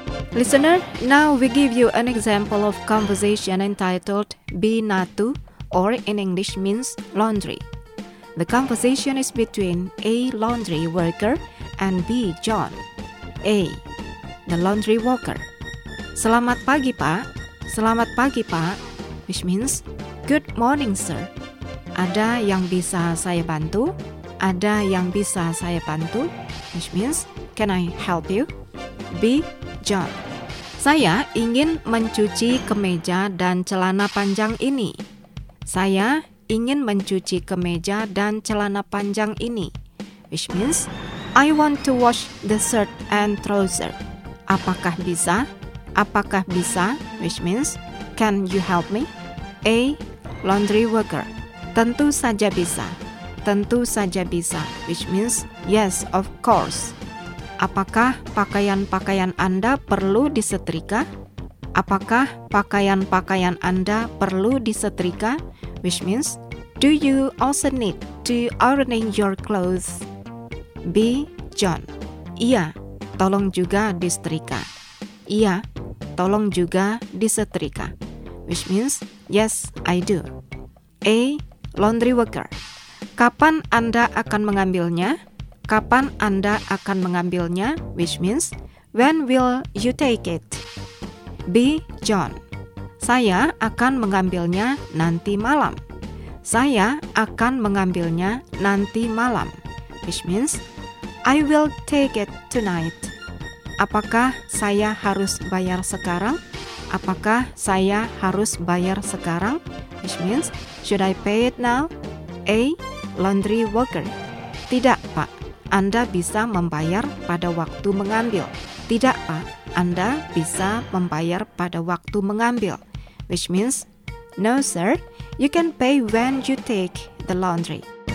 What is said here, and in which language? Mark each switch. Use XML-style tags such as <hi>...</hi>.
<en>Listener, now we give you an example of conversation entitled Binatu, or in English means laundry. The conversation is between A, laundry worker, and B, John. A, the laundry worker.</en> <id>Selamat pagi, Pak. Selamat pagi, Pak,</id> <en>which means good morning, sir.</en> <id>Ada yang bisa saya bantu? Ada yang bisa saya bantu?</id> <en>Which means can I help you? B, John.</en> <id>Saya ingin mencuci kemeja dan celana panjang ini. Saya ingin mencuci kemeja dan celana panjang ini.</id> <en>Which means, I want to wash the shirt and trouser.</en> <id>Apakah bisa? Apakah bisa?</id> <en>Which means, can you help me? A, laundry worker.</en> <id>Tentu saja bisa. Tentu saja bisa.</id> <en>Which means, yes, of course.</en> <id>Apakah pakaian-pakaian Anda perlu disetrika? Apakah pakaian-pakaian Anda perlu disetrika?</id> <en>Which means, do you also need to ironing your clothes?</en> <id>B, John. Iya, tolong juga disetrika. Iya, tolong juga disetrika.</id> <en>Which means, yes, I do. A, laundry worker.</en> <id>Kapan Anda akan mengambilnya? Kapan Anda akan mengambilnya?</id> <en>Which means, when will you take it? B, John.</en> <id>Saya akan mengambilnya nanti malam. Saya akan mengambilnya nanti malam.</id> <en>Which means, I will take it tonight.</en> <id>Apakah saya harus bayar sekarang? Apakah saya harus bayar sekarang?</id> <en>Which means, should I pay it now? A, laundry worker.</en> <id>Tidak, Pak. Anda bisa membayar pada waktu mengambil. Tidak, Pak. Anda bisa membayar pada waktu mengambil.</id> <en>Which means, no, sir. You can pay when you take the laundry.</en>